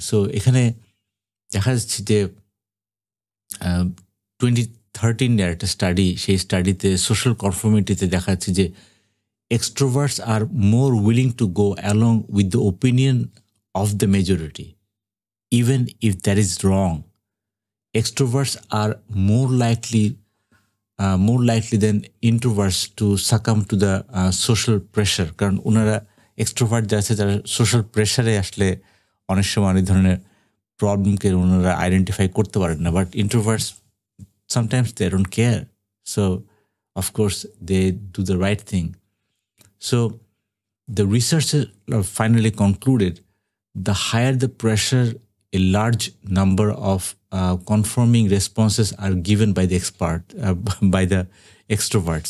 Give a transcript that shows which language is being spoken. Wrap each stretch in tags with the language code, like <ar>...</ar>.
<bn>So এখানে দেখা যাচ্ছে যে</bn> <en>2013 একটা স্টাডি, সেই স্টাডিতে সোশ্যাল কনফর্মিটিতে দেখা যাচ্ছে যে extroverts are more willing to go along with the opinion of the majority even if that is wrong. Extroverts are more likely more likely than introverts to succumb to the social pressure.</en> <bn>কারণ ওনারা extrovert যারা আছে তারা social pressure এ আসলে অনেক সময় অনেক ধরনের problem কে ওনারা identify করতে পারেন না.</bn> <en>But introverts, sometimes they don't care. So, of course, they do the right thing. So, the researchers finally concluded the higher the pressure, a large number of conforming responses are given by the expert, by the extrovert.</en>